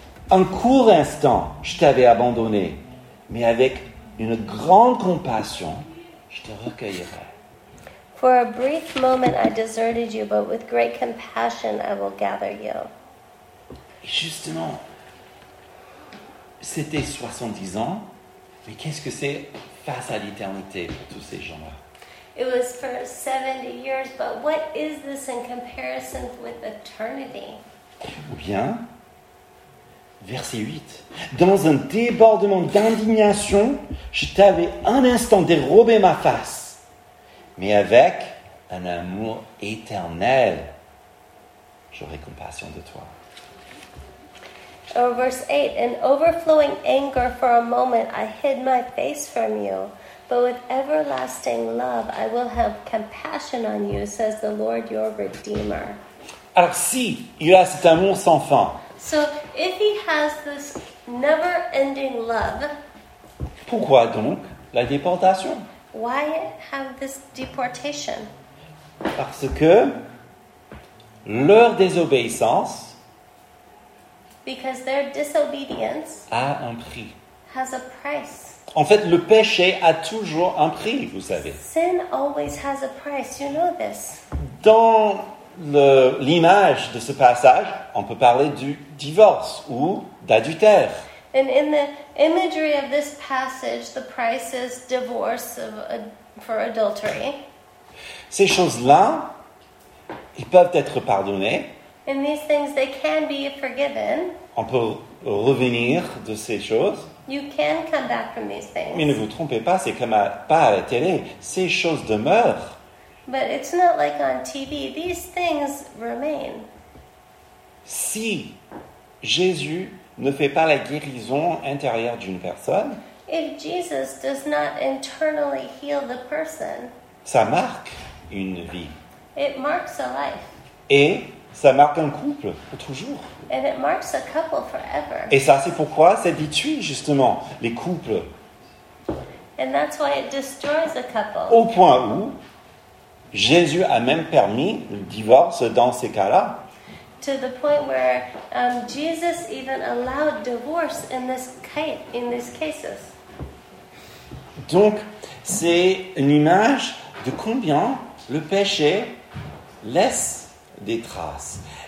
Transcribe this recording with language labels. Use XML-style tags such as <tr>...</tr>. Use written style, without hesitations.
<fr>Un court instant, je t'avais abandonné, mais avec une grande compassion, je te recueillerai.</fr> <en>For a brief moment, I deserted you, but with great compassion, I will gather you.</en> <fr>Justement, c'était 70 ans, mais qu'est-ce que c'est face à l'éternité pour tous ces gens-là?</fr> <en>It was for 70 years, but what is this in comparison with eternity?</en> <fr>Ou bien, verset 8, dans un débordement d'indignation, je t'avais un instant dérobé ma face, mais avec un amour éternel, j'aurai compassion de toi.</fr> <en>Or verse 8, in overflowing anger for a moment, I hid my face from you. But with everlasting love, I will have compassion on you, says the Lord your Redeemer.</en> <fr>Alors si, il a cet amour sans fin.</fr> <en>So if he has this never-ending love,</en> <fr>pourquoi donc la déportation?</fr> <en>Why have this deportation?</en> <fr>Parce que leur désobéissance,</fr> <en>because their disobedience</en> <fr>a un prix.</fr> <en>Has a price.</en> <fr>En fait, le péché a toujours un prix, vous savez.</fr> <en>Sin always has a price, you know this.</en> <fr>Dans l'image de ce passage, on peut parler du divorce ou d'adultère.</fr> <en>And in the imagery of this passage, the price is divorce for adultery.</en> <fr>Ces choses-là, ils peuvent être pardonnées.</fr> <en>And these things, they can be forgiven.</en> <fr>On peut revenir de ces choses.</fr> <en>You can come back from these things.</en> <fr>Mais ne vous trompez pas, c'est comme pas à la télé. Ces choses demeurent.</fr> <en>But it's not like on TV. These things remain.</en> <fr>Si Jésus ne fait pas la guérison intérieure d'une personne,</fr> <en>if Jesus does not internally heal the person,</en> <fr>ça marque une vie.</fr> <en>It marks a life.</en> <fr>Et ça marque un couple pour toujours.</fr> <en>And it marks a couple forever.</en> <fr>Et ça, c'est pourquoi ça détruit justement les couples.</fr> <en>And that's why it destroys a couple.</en> <fr>Au point où Jésus a même permis le divorce dans ces cas-là.</fr> <en>To the point where Jesus even allowed divorce in these cases.</en> <fr>Donc, c'est une image de combien le péché laisse des traces.</fr>